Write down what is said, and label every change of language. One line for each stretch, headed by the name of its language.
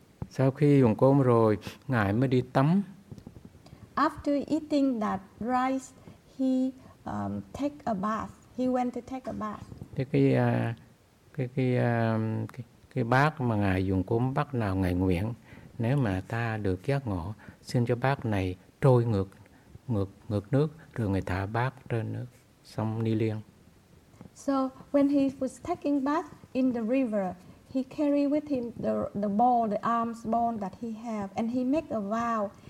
Vietnamese: Sau khi dùng cơm rồi, ngài mới đi tắm.
English: After eating that rice, he take a bath. He went to take a bath.
Vietnamese: Thì cái bát mà ngài dùng cơm bát nào ngài nguyện. Nếu mà ta được giác ngộ, xin cho bát này trôi ngược nước, rồi người thả bát trên nước sông Ni Liên.
English: So when he was taking bath in the river, he carried with him the ball, the arms ball that he have, and he make a vow.